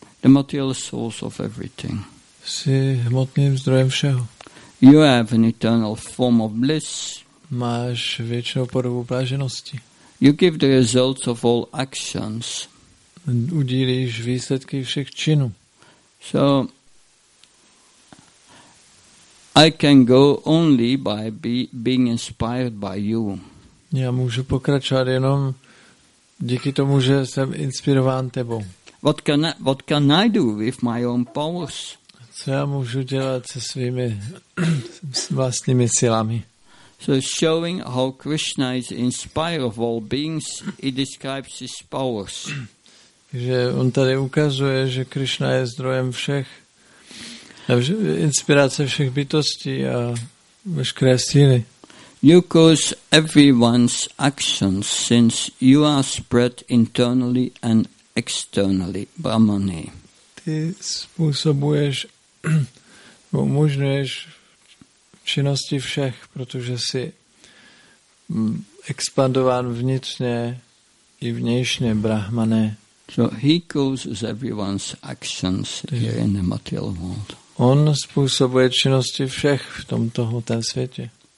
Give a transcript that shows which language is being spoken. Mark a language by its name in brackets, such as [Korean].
[English] The material source of everything. [Czech] Jsi hmotným zdrojem všeho. [English] You have an eternal form of bliss. [Czech] Máš věčnou podobu bláženosti. [English] You give the results of all actions. [Czech] Udílíš výsledky všech činů. [English] So I can go only by being inspired by you. [Czech] Já můžu pokračovat jenom díky tomu, že jsem inspirován tebou. [English] What can I do with my own powers? [Czech] Co já můžu dělat se svými vlastními silami? [English] So showing how Krishna is inspired of all beings, he describes his powers. [Czech] Že on tady ukazuje, že Krishna je zdrojem všech, inspirace všech bytostí a veškeré síly. [English] You cause everyone's actions since you are spread internally and externally, Brahmani. [Czech] Ty způsobuješ, umožňuješ činnosti všech, protože jsi expandován vnitřně i vnějšně, Brahmane. [English] So he causes everyone's actions here in the material world. [Czech] On způsobuje činnosti všech v tomto hmotném světě.